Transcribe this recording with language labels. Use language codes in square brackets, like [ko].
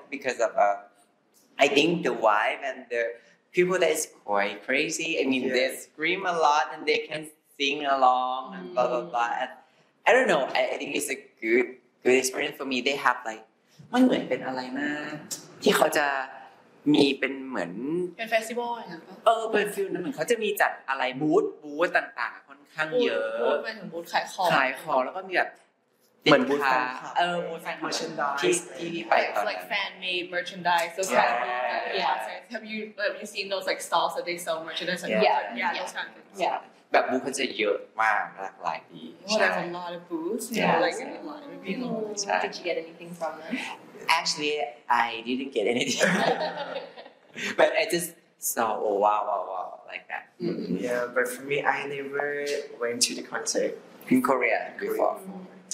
[en] Because of I think the vibe and the people that is quite crazy. I mean, yes. They scream a lot and they can sing along and blah blah blah. And I don't know. I think it's a good experience for me. They have like, what is it? [th] Been alina? ที่เขาจะมีเป็นเหมือน เป็นเฟสติวัล อะไรเออเป็นฟิลนั้นเหมือนเขาจะมีจัดอะไรบูธต่างๆค่อนข้างเยอะ บูธเป็นบูธขายของ ขายของแล้วก็มีแบบ เหมือนบูธ แฟนคลับบูธแฟนคลับ ที่ ไปตอนนั้น [en] like fan made merchandise those kind of yeah have you seen those like stalls that they sell merchandise like yeah those kind of things [th] yeah แบบบูธเขาจะเยอะมากหลากหลายดีใช่ [en] there's a lot of booths yeah like in line with people did you get anything from them Actually, I didn't get anything, but I just saw wow like that. Mm-hmm. Yeah, but for me, I never went to the concert in Korea before. Mm-hmm.